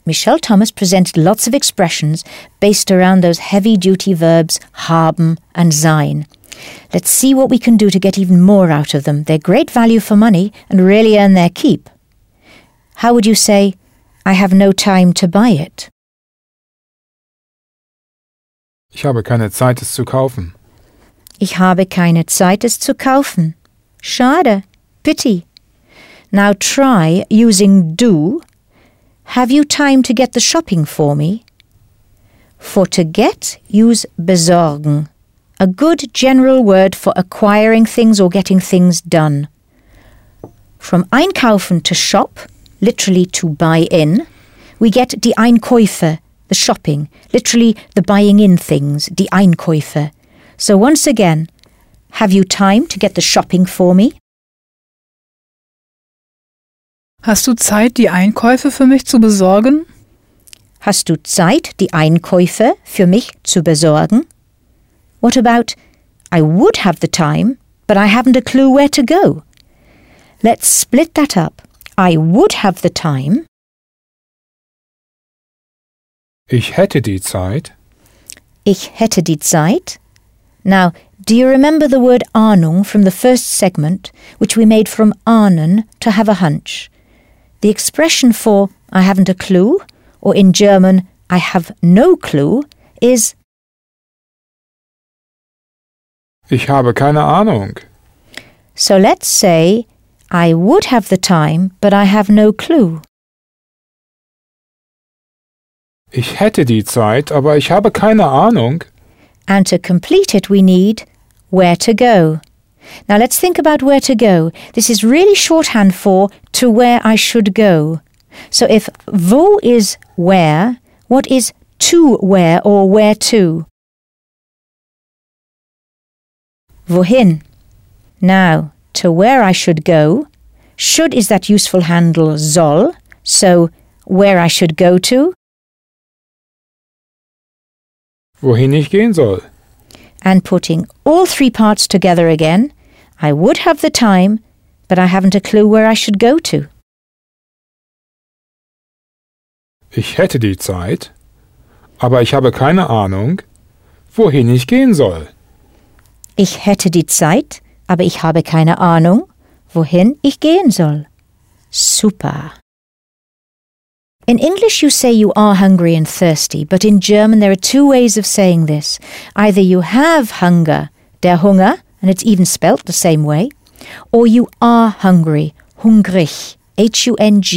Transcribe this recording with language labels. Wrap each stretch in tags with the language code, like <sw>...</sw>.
<en>Michelle Thomas presented lots of expressions based around those heavy-duty verbs haben and sein. Let's see what we can do to get even more out of them. They're great value for money and really earn their keep. How would you say, I have no time to buy it?</en> <de>Ich habe keine Zeit, es zu kaufen. Ich habe keine Zeit, es zu kaufen. Schade.</de> <en>Pity. Now try using do. Have you time to get the shopping for me? For to get, use besorgen. A good general word for acquiring things or getting things done. From einkaufen to shop, literally to buy in, we get die Einkäufe, the shopping, literally the buying in things, die Einkäufe. So once again, have you time to get the shopping for me?</en> <de>Hast du Zeit, die Einkäufe für mich zu besorgen? Hast du Zeit, die Einkäufe für mich zu besorgen?</de> <en>What about, I would have the time, but I haven't a clue where to go. Let's split that up. I would have the time.</en> <de>Ich hätte die Zeit. Ich hätte die Zeit.</de> <en>Now, do you remember the word Ahnung from the first segment, which we made from Ahnen, to have a hunch? The expression for I haven't a clue, or in German, I have no clue, is</en> <de>Ich habe keine Ahnung.</de> <en>So let's say, I would have the time, but I have no clue.</en> <de>Ich hätte die Zeit, aber ich habe keine Ahnung.</de> <en>And to complete it, we need where to go. Now let's think about where to go. This is really shorthand for to where I should go. So if wo is where, what is to where or where to? Wohin. Now, to where I should go. Should is that useful handle soll. So, where I should go to?</en> <de>Wohin ich gehen soll.</de> <en>And putting all three parts together again. I would have the time, but I haven't a clue where I should go to.</en> <de>Ich hätte die Zeit, aber ich habe keine Ahnung, wohin ich gehen soll. Ich hätte die Zeit, aber ich habe keine Ahnung, wohin ich gehen soll. Super.</de> <en>In English you say you are hungry and thirsty, but in German there are two ways of saying this. Either you have hunger, der Hunger, and it's even spelt the same way, or you are hungry, hungrig, H-U-N-G-R-I-G.</en>